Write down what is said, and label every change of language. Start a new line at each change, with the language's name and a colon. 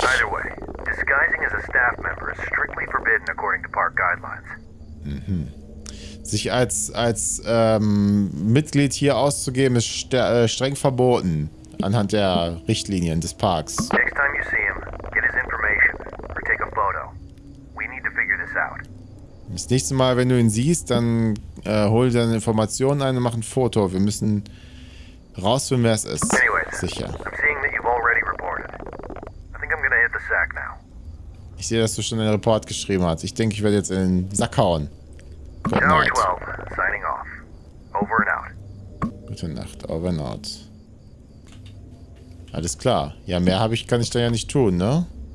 English: Either way, disguising as a staff member is strictly forbidden according to park guidelines. Mhm.
German: Sich als Mitglied hier auszugeben ist streng verboten anhand der Richtlinien des Parks.
English: Next time you see him, get his information or take a photo. We need to figure this out.
German: Das nächste Mal, wenn du ihn siehst, dann hol deine Informationen ein und mach ein Foto. Wir müssen rausfinden, wer es ist.
English: Anyways,
German: sicher.
English: I'm seeing that you've already reported. I think I'm gonna hit the sack now.
German: Ich sehe, dass du schon einen Report geschrieben hast. Ich denke, ich werde jetzt in den Sack hauen.
English: Good night. Tower 12, signing off. Over and out.
German: Gute Nacht,
English: over and out.
German: Alles klar. Ja, mehr kann ich da ja nicht tun, ne?